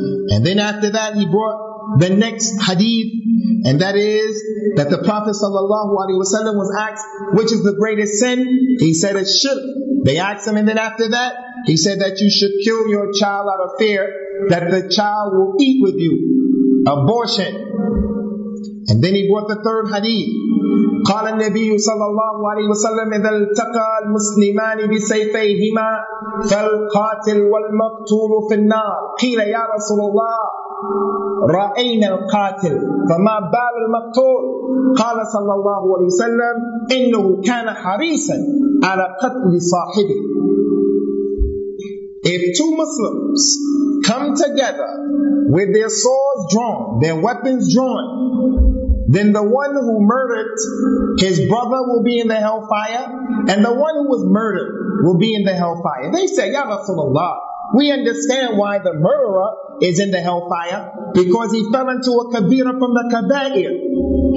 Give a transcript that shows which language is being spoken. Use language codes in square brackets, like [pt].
[en] And then after that, he brought the next hadith, and that is that the Prophet sallallahu alaihi wasallam was asked, which is the greatest sin? He said, ash-shirk. They asked him, and then after that, he said that you should kill your child out of fear that the child will eat with you. Abortion. And then he brought the third hadith. [ar] قال النبي صلى الله عليه وسلم إذا التقى المسلمان بسيفيهما فالقاتل والمقتول في النار قيل يا رسول الله رأينا القاتل فما بال المقتول قال صلى الله عليه وسلم إنه كان حريصا على قتل صاحبه. [en] If two Muslims come together with their swords drawn, their weapons drawn, then the one who murdered his brother will be in the hellfire, and the one who was murdered will be in the hellfire. They say, Ya Rasulullah, we understand why the murderer is in the hellfire, because he fell into a kabira from the kabair.